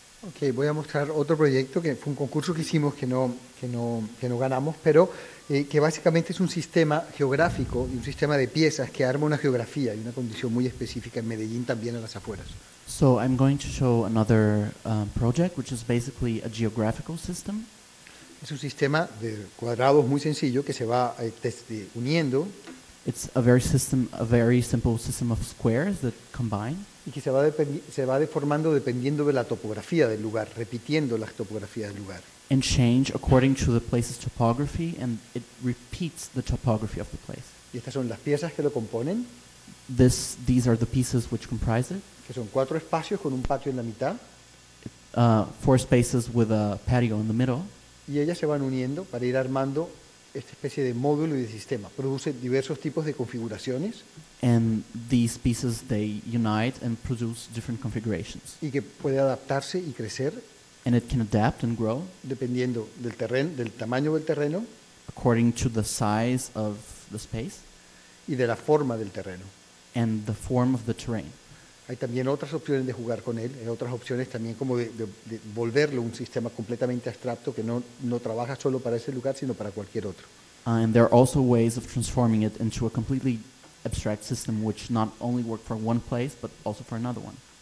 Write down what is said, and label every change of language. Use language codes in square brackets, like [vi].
[es] Okay, voy a mostrar otro proyecto que fue un concurso que hicimos que no ganamos, pero que básicamente es un sistema geográfico y un sistema de piezas que arma una geografía y una condición muy específica en Medellín también a las afueras. [en] So I'm going to show another project, which is basically a geographical system. [es] Es un sistema de cuadrados muy sencillo que se va uniendo. [en] It's a very simple system of squares that combine. [es] Y que se va deformando dependiendo de la topografía del lugar, repitiendo la topografía del lugar. [en] And change according to the place's topography, and it repeats the topography of the place. [es] Y estas son las piezas que lo componen. [en] These are the pieces which comprise it. [es] Que son cuatro espacios con un patio en la mitad. [en] Four spaces with a patio in the middle. [es] Y ellas se van uniendo para ir armando esta especie de módulo y de sistema. Produce diversos tipos de configuraciones. [en] And these pieces, they unite and produce different configurations. [es] Y que puede adaptarse y crecer. [en] And it can adapt and grow. [es] Dependiendo del terreno, del tamaño del terreno. [en] According to the size of the space. [es] Y de la forma del terreno. [en] And the form of the terrain. [es] Hay también otras opciones de jugar con él. Hay otras opciones también como de volverlo un sistema completamente abstracto que no trabaja solo para ese lugar, sino para cualquier otro. [en] And there are also ways of transforming it into a completely abstract system which not only work for one place, but also for another one.